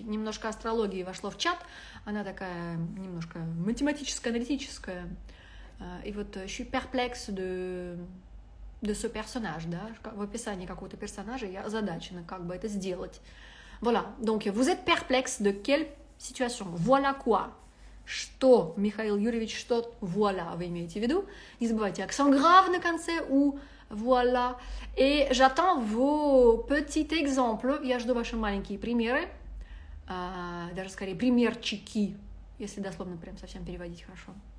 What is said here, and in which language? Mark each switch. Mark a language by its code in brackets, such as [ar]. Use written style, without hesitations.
[ru] Немножко астрологии вошло в чат. Она такая немножко математическо-аналитическая. И вот [fr] je suis perplexe de ce personnage, [ru] да, в описании какого-то персонажа я озадачена, как бы это сделать. [fr] Voilà, donc vous êtes perplexe de quelle situation? Voilà quoi? [ru] Что, Михаил Юрьевич, что voilà вы имеете в виду? Не забывайте accent grave на конце ou voilà. [fr] Et j'attends vos petits exemples. [ru] Я жду ваши маленькие примеры, даже скорее примерчики, если дословно прям совсем переводить хорошо.